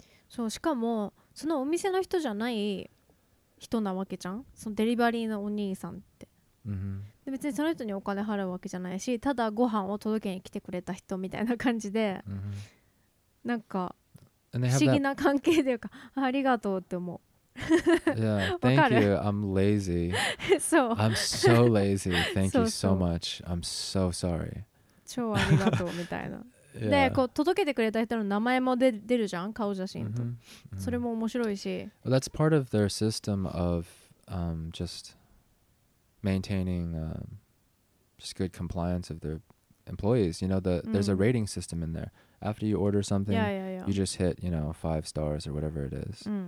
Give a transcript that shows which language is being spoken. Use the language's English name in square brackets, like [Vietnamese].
[Japanese] そう、しかもそのお店の人じゃない人なわけじゃん。そのデリバリーのお兄さんって。で別にその人にお金払うわけじゃないし、ただご飯を届けに来てくれた人みたいな感じで、なんか不思議な関係というか、ありがとうって思う。 [English] Yeah, thank you. I'm lazy. [Japanese] そう。 [English] I'm so lazy. Thank you so much. I'm so sorry. [Japanese] 超ありがとうみたいな。でこう届けてくれた人の名前も出るじゃん、顔写真と。 Mm-hmm. Mm-hmm. それも面白いし。 [English] Well, that's part of their system of、just maintaining、just good compliance of their employees. You know, the, there's a rating system in there. After you order something, yeah, yeah, yeah. you just hit, you know, 5 stars or whatever it is.